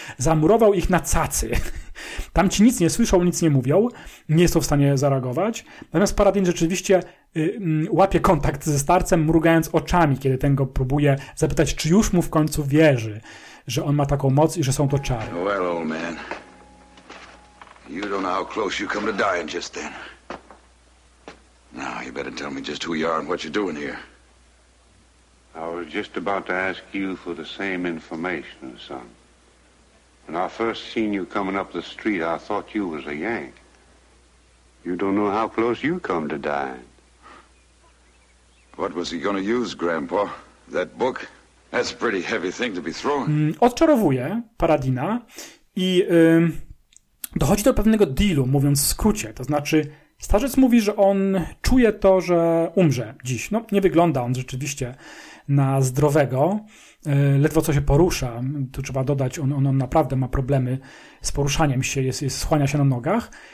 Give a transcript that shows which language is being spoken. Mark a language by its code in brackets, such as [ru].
[pl] Zamurował ich na cacy. Tamci nic nie słyszą, nic nie mówią, nie są w stanie zareagować. Natomiast Paradin rzeczywiście łapie kontakt ze starcem, mrugając oczami, kiedy ten go próbuje zapytać, czy już mu w końcu wierzy, że on ma taką moc i że są to czary. [en] Well, old man. You don't know how close you come to dying just then. Now, you better tell me just who you are and what you're doing here. I was just about to ask you for the same information, son. When I first seen you coming up the street, I thought you was a Yank. You don't know how close you come to dying. What was he gonna use, Grandpa? That book? That's a pretty heavy thing to be throwing. [pl] Odczarowuje Paradina i dochodzi do pewnego dealu, mówiąc w skrócie. To znaczy, starzec mówi, że on czuje to, że umrze dziś. No, nie wygląda on rzeczywiście na zdrowego. Ledwo co się porusza. Tu trzeba dodać, on naprawdę ma problemy z poruszaniem się, jest schłania się na nogach.